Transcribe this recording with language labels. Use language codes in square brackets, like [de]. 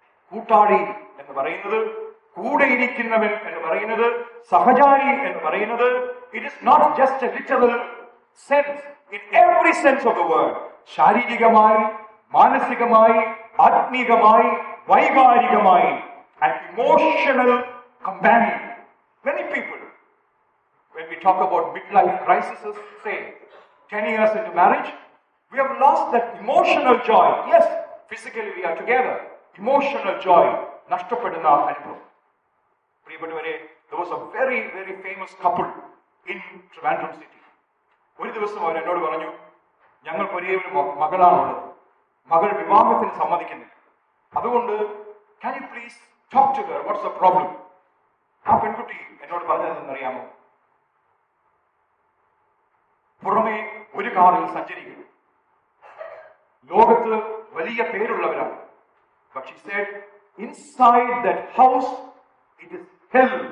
[ml] കൂട്ടാളി എന്ന് പറയുന്നത്, കൂടെ ഇരിക്കുന്നവൻ എന്ന് പറയുന്നത്, സഹജാനി എന്ന് പറയുന്നത്, [en] it is not just a literal sense, in every sense of the word. [ml] ശാരീരികമായി, മാനസികമായി, ആത്മീകമായി, വൈകാരികമായി, [en] an emotional companion. Many people, when we talk about midlife crises, say 10 years into marriage, we have lost that emotional joy. Yes, physically we are together. Emotional joy [ml] nashtapadunna anubhavam. [en] Priyappettavare, there was a very very famous couple in Trivandrum city. [ml] Oru divasam avar ennodu paranju, njangalkku oru magalaanu ullathu, മകൾ വിവാഹത്തിന് സമ്മതിക്കുന്നില്ല, അതുകൊണ്ട് [en] Can you please talk to her, what's the problem. [ml] ആ പെൺകുട്ടി എന്നോട് പറഞ്ഞതെന്ന് അറിയാമോ? പുറമേ ഒരു കാറിൽ സഞ്ചരിക്കുന്നു, ലോകത്ത് വലിയ പേരുള്ളവരാണ്. [en] But she said, inside that house it is hell.